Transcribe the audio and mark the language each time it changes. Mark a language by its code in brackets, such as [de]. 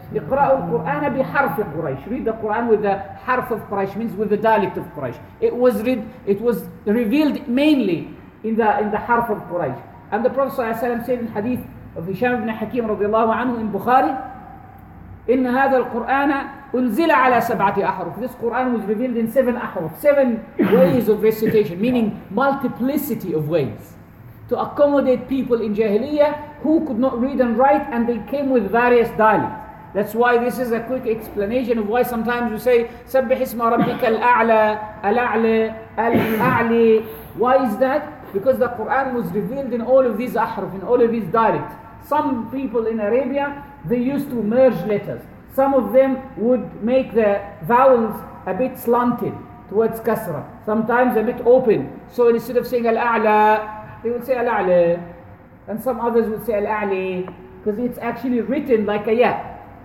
[ar] اقرأوا القرآن بحرف قريش. [en] Read the Quran with the حرف of Quraysh, means with the dialect of Quraysh. It was revealed mainly in the حرف of Quraysh. And the Prophet صلى الله عليه وسلم said in hadith of Hisham ibn Hakim رضي الله عنه in Bukhari, [ar] إن هذا القرآن أنزل على سبعة أحرف. [en] This Quran was revealed in seven أحرف, seven ways of recitation, meaning multiplicity of ways to accommodate people in Jahiliyyah who could not read and write, and they came with various dialects. That's why this is a quick explanation of why sometimes you say [ar] سبح اسم ربك الأعلى الأعلى الأعلى. [en] Why is that? Because the Quran was revealed in all of these أحرف, in all of these dialects. Some people in Arabia, they used to merge letters. Some of them would make the vowels a bit slanted towards kasra, sometimes a bit open. So instead of saying al-a'la, they would say al-a'la, and some others would say al-a'li, because it's actually written like a ya.